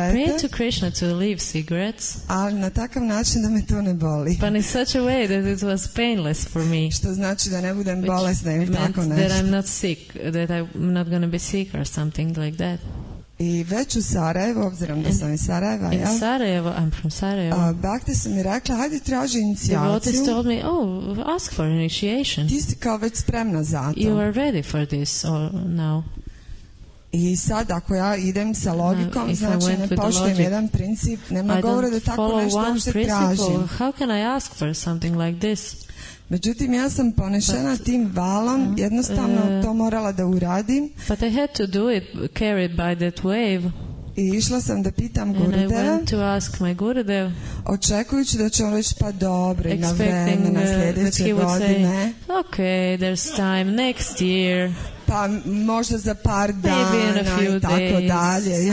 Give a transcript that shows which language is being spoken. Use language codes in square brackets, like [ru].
[en] And I prayed to Krishna to leave cigarettes. [hr] Ali na takav način da me to ne boli. [en] But in such a way that it was painless for me. [hr] Što znači da ne budem bolesna ili tako nešto. [en] That I'm not sick, that I'm not going to be sick or something like that. [hr] I već u Sarajevo, obzirom da sam iz Sarajeva, [en] in Sarajevo, I'm from Sarajevo. [hr] Bhakti su mi rekla, hajde traži inicijaciju. [en] The devotees told me, oh, ask for initiation. [hr] Ti si kao već spremna za to. [en] You are ready for this or now. [hr] I sad ako ja idem sa logikom, znači ne poštujem jedan princip, nema govora da tako nešto uopšte tražim. [en] How can I ask for something like this? [hr] Međutim, ja sam ponešena tim valom, jednostavno to morala da uradim. [en] But I had to do it, carried by that wave. [hr] I išla sam da pitam Gurudeva. [en] And I went to ask my Gurudev. [hr] Očekujući da će on reći pa dobro, na vreme, na sljedeće godine. [en] Say, okay, there's time next year. [hr] Pa možda za par dana i tako dalje.